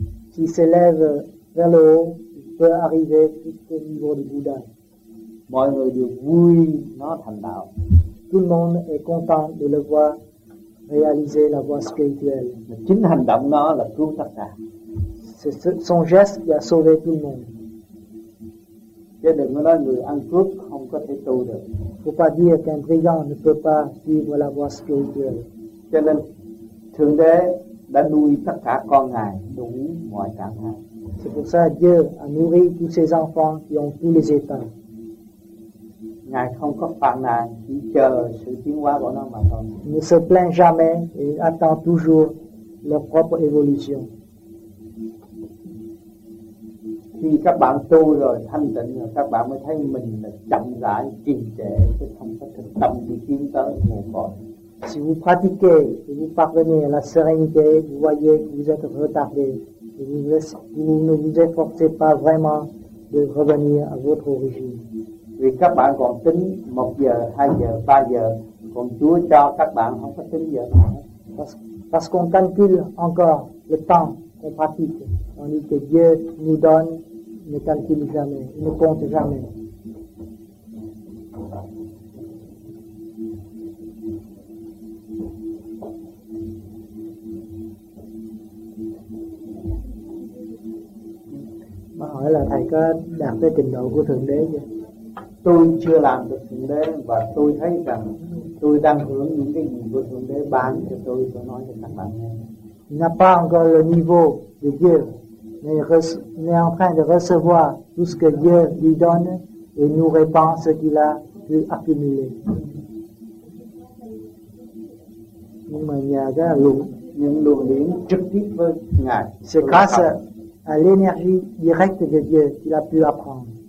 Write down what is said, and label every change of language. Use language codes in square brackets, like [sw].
[fr] S'il s'élève vers le haut, il peut arriver jusqu'au niveau du bouddha. [vi] Mọi người đều vui nó thành đạo. [fr] Tout le monde est content de le voir réaliser la voie spirituelle. [vi] Chính hành động nó là cứu tất cả. [fr] C'est son geste qui a sauvé tout le monde. [vi] Chứ đừng nói người ăn cướp không có thể tu được. [fr] Faut pas dire qu'un brigand ne peut pas vivre la voie spirituelle. [vi] Cho nên Thượng Đế đã nuôi tất cả con ngài đủ mọi trạng thái. [fr] C'est pour ça que Dieu a nourri tous ses enfants qui ont tous les états. [vi] Ngài không có phàn nàn, chỉ chờ sự tiến hóa của nó mà thôi. [fr] Ne se plaint jamais et attend toujours leur propre évolution. [vi] Khi các bạn tu rồi, thanh tịnh rồi, các bạn mới thấy mình là chậm rãi, trì trệ, chứ không có thực tâm đi tiến tới một bọn. [fr] Si vous pratiquez et vous parvenez à la sérénité, vous voyez que vous êtes retardé. Et vous ne vous efforcez pas vraiment de revenir à votre origine. [vi] Vì các bạn còn tính 1 giờ, 2 giờ, 3 giờ, còn Chúa cho các bạn không có tính giờ nào. [fr] Parce qu'on calcule encore le temps qu'on pratique. On dit que Dieu nous donne, ne calcule jamais, ne compte jamais. [vi] Mà hỏi là thầy có đạt tới trình độ của Thượng Đế chưa? Tôi chưa làm được Thượng Đế và tôi thấy rằng tôi đang hưởng những cái gì của Thượng Đế bán cho tôi nói cho các bạn nghe. [fr] Il n'a pas encore le niveau de Dieu, mais il est en train de recevoir tout ce que Dieu lui donne et nous répand ce qu'il a pu accumuler. [vi] Nhưng mà nhà ra những luồng điển trực tiếp với Ngài. [fr] C'est grâce à l'énergie directe de Dieu qu'il a pu apprendre.